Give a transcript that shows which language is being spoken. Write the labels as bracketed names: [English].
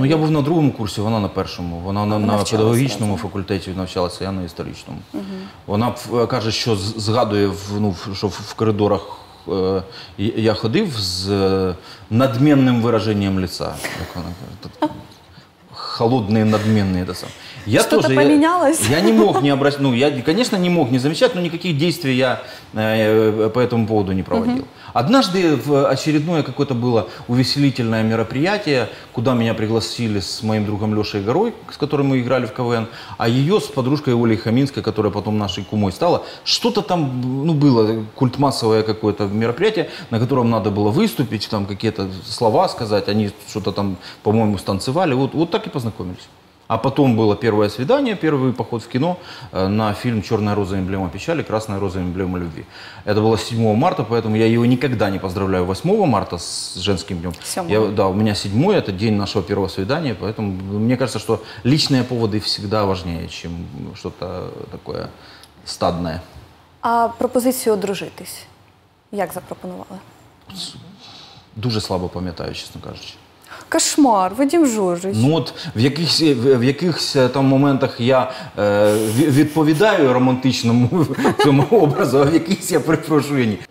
[Ukrainian] Ну, я був на другому курсі, вона на першому. Вона на педагогічному факультеті навчалася, я на історичному. Угу. Вона каже, що згадує, ну, що в коридорах я ходив з надмінним вираженням лиця, як вона каже. Холодний, надмінний. Я [Russian] тоже, [Ukrainian] помінялось? [Russian] Я не мог не обратить, ну, я, конечно, не мог не замечать, но никаких действий я по этому поводу не проводил. Uh-huh. Однажды в очередное какое-то было увеселительное мероприятие, куда меня пригласили с моим другом Лешей Горой, с которым мы играли в КВН, а ее с подружкой Олей Хаминской, которая потом нашей кумой стала. Что-то там, ну, было культмассовое какое-то мероприятие, на котором надо было выступить, там какие-то слова сказать, они что-то там, по-моему, станцевали, вот так и познакомились. А потом было первое свидание, первый поход в кино на фильм «Черная роза, эмблема печали, красная роза, эмблема любви». Это было 7 марта, поэтому я ее никогда не поздравляю 8 марта с женским днем. Да, у меня 7, это день нашего первого свидания, поэтому мне кажется, что личные поводы всегда важнее, чем что-то такое стадное. [Ukrainian] А пропозицию одружитись, як запропонували? Дуже слабо пам'ятаю, чесно кажучи. Кошмар, Вадим Жоржич. Ну от в якихось там моментах я відповідаю романтичному цьому образу, а в якихось я припрошу ні.